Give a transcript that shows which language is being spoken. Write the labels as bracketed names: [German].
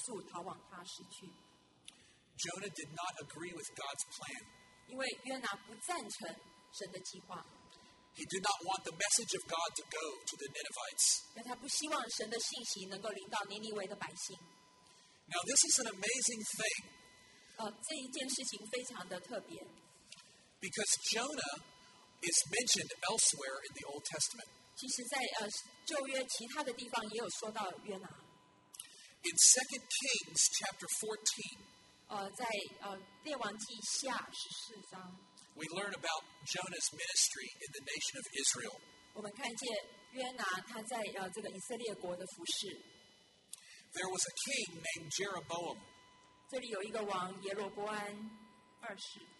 [Chinese] 在第四章第二节他说了,耶和华,我在本国的时候,岂不这样子说吗?我知道你是有恩典,有怜悯的神,不轻易发怒,有丰盛的慈爱,而且后悔不降所说的灾,所以我急速逃往他时去。Jonah [English] did not agree with God's plan. [Chinese] 因为约拿不赞成神的计划。 [English] He did not want the message of God to go to the Ninevites. [Chinese] 因为他不希望神的信息能够临到尼尼微的百姓。 [English] Now this is an amazing thing. [Chinese] 这一件事情非常的特别。 [English] Because Jonah is mentioned elsewhere in the Old Testament. [Chinese] 其实在, 旧约其他的地方也有说到约拿。 [English] In 2 Kings chapter 14, [Chinese] 在列王记下14章, [English] we learn about Jonah's ministry in the nation of Israel. [Chinese] 我们看见约拿他在, 这个以色列国的服事。 [English] There was a king named Jeroboam. [Chinese] 这里有一个王耶罗波安二世。